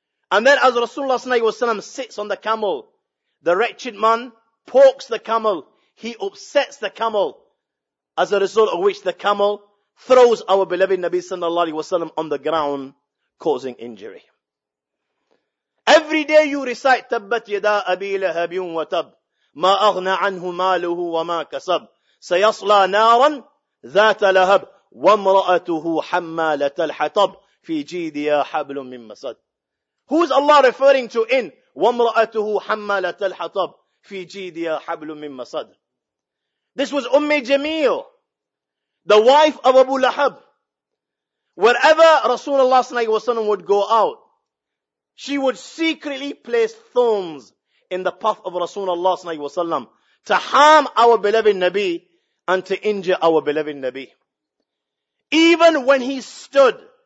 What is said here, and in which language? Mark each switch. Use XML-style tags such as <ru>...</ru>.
<en>And then as Rasulullah Sallallahu Alaihi Wasallam sits on the camel, the wretched man pokes the camel. He upsets the camel. As a result of which the camel throws our beloved Nabi Sallallahu Alaihi Wasallam on the ground, causing injury. Every day you recite,</en> <ar>Tabbat yada abi lahabin wa tab. ما أغنى عنه ماله وما كسب سيصلى نارا ذات لهب وامرأته حمالة الحطب في جيدها حبل من مسد.</ar> <en>Who is Allah referring to in</en> <ar>وامرأته حمالة الحطب في جيدها حبل من مسد?</ar> <en>This was Umm Jamil, the wife of Abu Lahab. Wherever Rasulullah sallallahu alaihi wasallam would go out, she would secretly place thorns in the path of Rasulullah sallallahu alaihi wasallam to harm our beloved Nabi and to injure our beloved Nabi. Even when he stood</en>